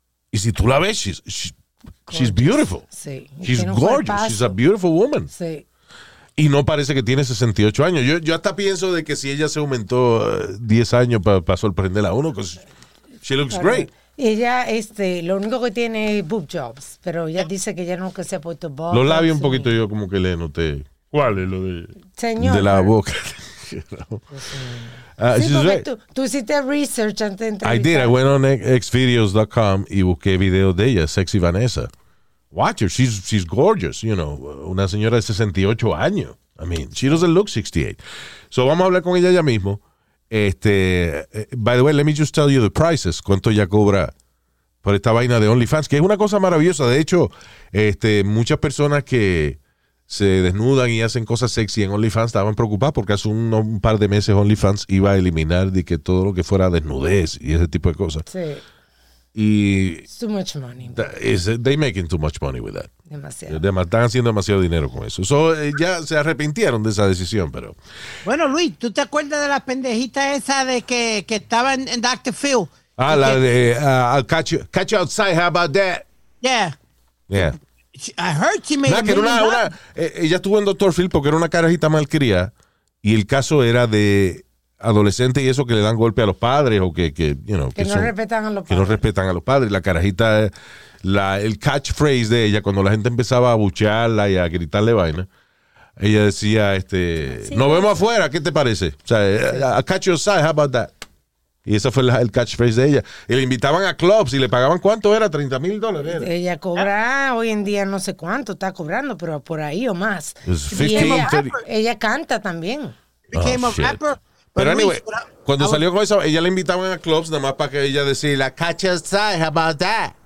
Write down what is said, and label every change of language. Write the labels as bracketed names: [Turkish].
[Spanish] Y si tú la ves, [English] she's beautiful. [Spanish] Sí. [English] She's gorgeous. She's a beautiful woman. [Spanish] Sí. Y no parece que tiene 68 años. Yo hasta pienso de que si ella se aumentó 10 años para pa sorprender a uno, [English] because she looks great. [Spanish] Y ella, lo único que tiene es boob jobs, pero ella dice que ya nunca se ha puesto boob. Los labios un poquito yo como que le noté. ¿Cuál es lo de...? Señor. De la boca. Sí, porque tú hiciste research antes de entrar. [English] I did. I went on xvideos.com [Spanish] y busqué videos de ella, [English] Sexy Vanessa. Watch her. She's gorgeous, you know. [Spanish] Una señora de 68 años. [English] I mean, she doesn't look 68. [Spanish] So vamos a hablar con ella ya mismo. [English] By the way, let me just tell you the prices. [Spanish] ¿Cuánto ella cobra por esta vaina de OnlyFans? Que es una cosa maravillosa. De hecho, muchas personas que se desnudan y hacen cosas sexy en OnlyFans estaban preocupados porque hace un par de meses OnlyFans iba a eliminar de que todo lo que fuera desnudez y ese tipo de cosas. Sí. Y [English] it's too much money. They making too much money with that. [Spanish] Demasiado. Están haciendo demasiado dinero con eso. Ya se arrepintieron de esa decisión, pero... Bueno, Luis, ¿tú te acuerdas de la pendejita esa de que estaba en Dr. Phil? Ah, la de... [English] I'll catch you outside, how about that? Yeah. Yeah. I heard she made [Spanish] ella estuvo en Dr. Phil porque era una carajita malcriada y el caso era de adolescente y eso que le dan golpe a los padres o que [English] you know, [Spanish] que no son, respetan a los padres. Que no respetan a los padres. La carajita, el catchphrase de ella, cuando la gente empezaba a buchearla y a gritarle vaina, ella decía, sí, nos vemos afuera, ¿qué te parece? O sea, [English] I'll catch you outside, how about that? [Spanish] Y ese fue el catchphrase de ella. Y le invitaban a clubs y le pagaban, ¿cuánto era? $30,000. Ella cobra, hoy en día no sé cuánto está cobrando, pero por ahí o más. Ella canta también. Pero anyway, cuando salió con eso, ella le invitaban a clubs nada más para que ella decía, [English] catch us outside, how about that?